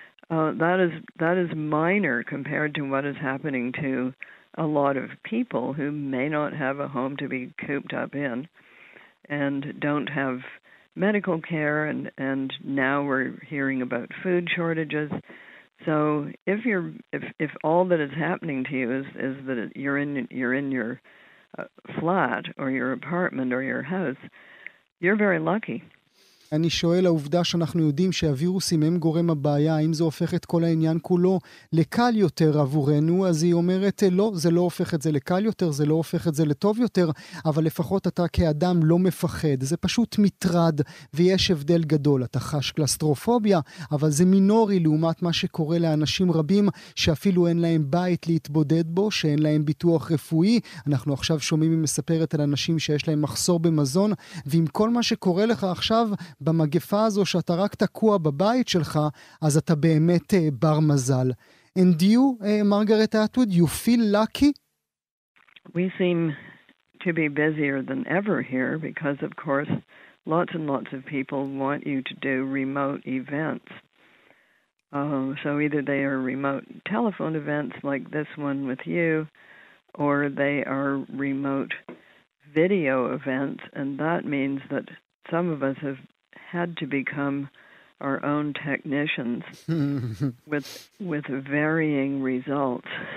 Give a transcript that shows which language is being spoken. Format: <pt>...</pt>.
<en>That is minor compared to what is happening to a lot of people who may not have a home to be cooped up in and don't have medical care, and now we're hearing about food shortages. So if all that is happening to you is that you're in your flat or your apartment or your house, you're very lucky.</en> <he>אני שואל, העובדה שאנחנו יודעים שהווירוסים הם גורם הבעיה, האם זה הופך את כל העניין כולו לקל יותר עבורנו? אז היא אומרת, לא, זה לא הופך את זה לקל יותר, זה לא הופך את זה לטוב יותר, אבל לפחות אתה כאדם לא מפחד. זה פשוט מטרד, ויש הבדל גדול. אתה חש קלסטרופוביה, אבל זה מינורי לעומת מה שקורה לאנשים רבים, שאפילו אין להם בית להתבודד בו, שאין להם ביטוח רפואי. אנחנו עכשיו שומעים ומספרת על אנשים שיש להם מחסור במזון, ועם כל מה שקורה לך עכשיו במגפה הזו שאתה רק תקוע בבית שלך, אז אתה באמת בר מזל.</he> <en>And you, Margaret Atwood, you feel lucky? We seem to be busier than ever here because, of course, lots and lots of people want you to do remote events. So either they are remote telephone events like this one with you, or they are remote video events, and that means that some of us have had to become our own technicians with varying results.</en>